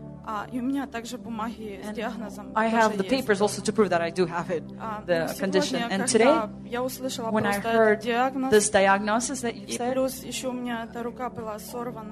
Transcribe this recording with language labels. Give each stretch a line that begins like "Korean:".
Russian: А у меня также бумаги с диагнозом.
English: I have the papers also to prove that I do have it, the condition. And today, when I heard this diagnosis that you said,
Russian: плюс еще у меня эта рука была сорвана.